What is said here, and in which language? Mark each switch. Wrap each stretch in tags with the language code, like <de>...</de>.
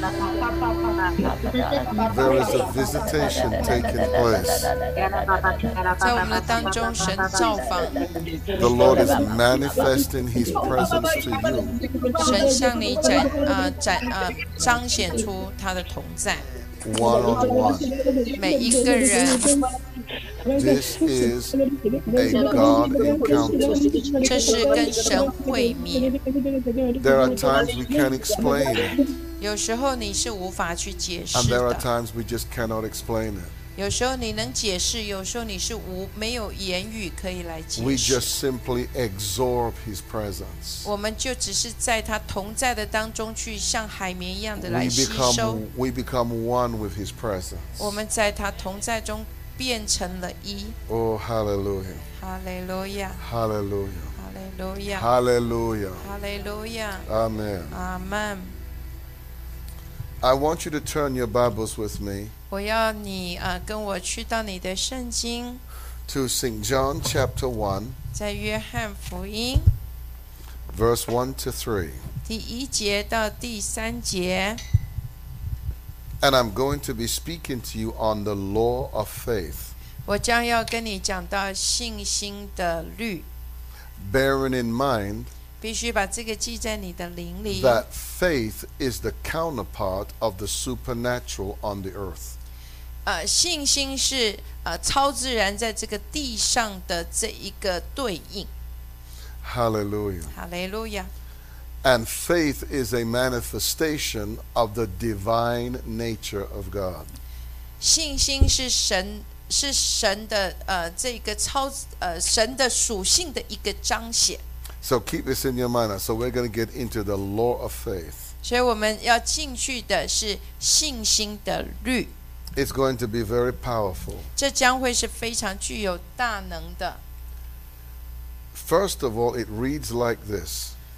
<en>There is a visitation taking place.</en> <zh>在我们的当中，神造访。</zh> <en>The Lord is manifesting His presence to you.</en> <zh>神向你展啊展啊彰显出他的同在。</zh> <en>One on one.</en> <zh>每一个人。</zh> <en>This is a God encounter.</en> <zh>这是跟神会面。</zh> <en>There are times we can't explain it.</en> <zh>有时候你是无法去解释的。</zh> <en>And there are times we just cannot explain it.</en> <zh>有时候你能解释，有时候你是无没有言语可以来解释。</zh> <en>We just simply absorb His presence.</en> <zh>我们就只是在他同在的当中去像海绵一样的来吸收。</zh> <en>We become one with His presence.</en> <zh>我们在他同在中。变成了一。</zh> <en>Oh, hallelujah. Hallelujah. Hallelujah. Hallelujah. Hallelujah. Hallelujah. Amen. Amen. I want you to turn your Bibles with me.</en> <zh>我要你跟我去到你的圣经。</zh> <en>To St. John chapter 1.</en> <zh>在约翰福音。</zh> <en>Verse 1 to 3.</en> <zh>第一节到第三节。</zh> <en>And I'm going to be speaking to you on the law of faith.</en> <zh>我将要跟你讲到信心的律。</zh> <en>Bearing in mind,</en> <zh>必须把这个记在你的灵里。</zh> <en>That faith is the counterpart of the supernatural on the earth.</en> <zh>信心是超自然在这个地上的这一个对应。</zh> <en>Hallelujah. Hallelujah. And faith is a manifestation of the divine nature of God.</en> <zh>信心是神，是神的这个超神的属性的一个彰显。</zh> <en>So keep this in your mind. So we're going to get into the law of faith.</en> <zh>所以我们要进去的是信心的律。</zh> <en>It's going to be very powerful.</en> <zh>这将会是非常具有大能的。</zh> <en>First of all, it reads like this.</en>